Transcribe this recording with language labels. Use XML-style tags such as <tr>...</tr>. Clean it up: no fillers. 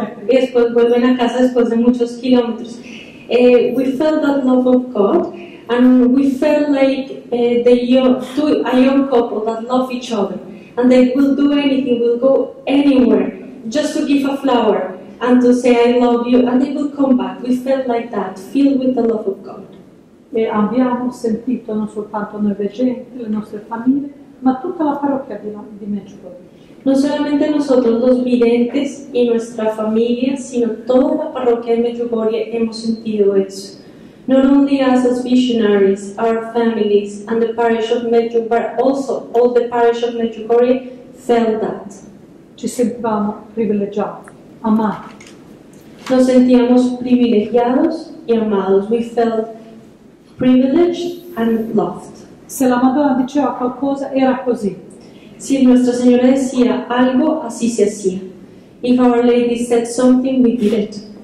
<es>Y después vuelven a casa después de muchos kilómetros.</es> <en>We felt that love of God and we felt like a young couple that love each other and they will do anything, will go anywhere. Just to give a flower and to say I love you and they will come back. We felt like that, filled with the love of God.</en> <it>E abbiamo sentito non soltanto noi veggenti, le nostre famiglie, ma tutta la parrocchia di Medjugorje.</it> <es>No solamente nosotros los videntes y nuestra familia, sino toda la parroquia de Medjugorje hemos sentido eso.</es> <en>Not only us as visionaries, our families, and the parish of Medjugorje, but also all the parish of Medjugorje felt that.</en> <it>Ci sentivamo privilegiati, amati.</it> <es>Nos sentíamos privilegiados y amados.</es> <en>We felt privileged and loved.</en> <it>Se la Madonna diceva qualcosa, era così.</it> <es>Si Nuestra Señora decía algo, así se hacía.</es> <en>If Our Lady said something, we did it.</en>